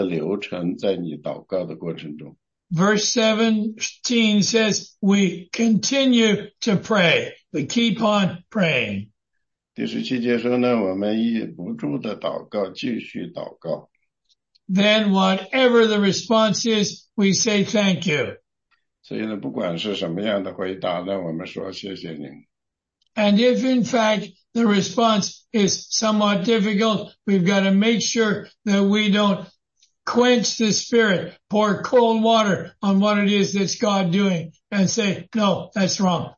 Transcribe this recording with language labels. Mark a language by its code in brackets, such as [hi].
[zh] 就是这样的，这些经文里呢，就是有一个逻辑的流程在你祷告的过程中。 [en] Verse 17 says, we continue to pray. We keep on praying. [zh] 第十七节说呢，我们一不住的祷告，继续祷告。 [en] Then whatever the response is, we say thank you. [zh] 所以呢，不管是什么样的回答呢，我们说谢谢您。 [en] And if in fact the response is somewhat difficult, we've got to make sure that we don't quench the spirit, pour cold water on what it is that's God doing, and say, no, that's wrong.